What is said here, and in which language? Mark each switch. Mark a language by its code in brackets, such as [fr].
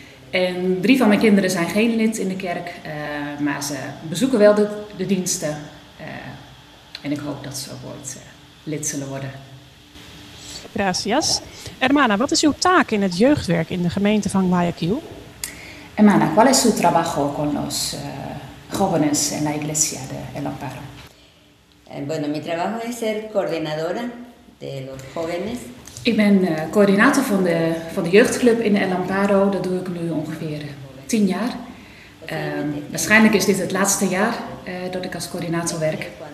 [nl] En 3 van mijn kinderen zijn geen lid in de kerk, maar ze bezoeken wel de diensten. En ik hoop dat ze ook ooit lid zullen worden. [es] Gracias. [nl] Hermana, wat is uw taak in het jeugdwerk in de gemeente van Guayaquil? [es] Hermana, ¿cuál es su trabajo con los jóvenes en la iglesia de El Amparo? Bueno, mi trabajo es ser coordinadora de los jóvenes. [nl] Ik ben coördinator van de jeugdclub in El Amparo. Dat doe ik nu ongeveer 10 jaar. Waarschijnlijk is dit het laatste jaar dat ik als coördinator werk.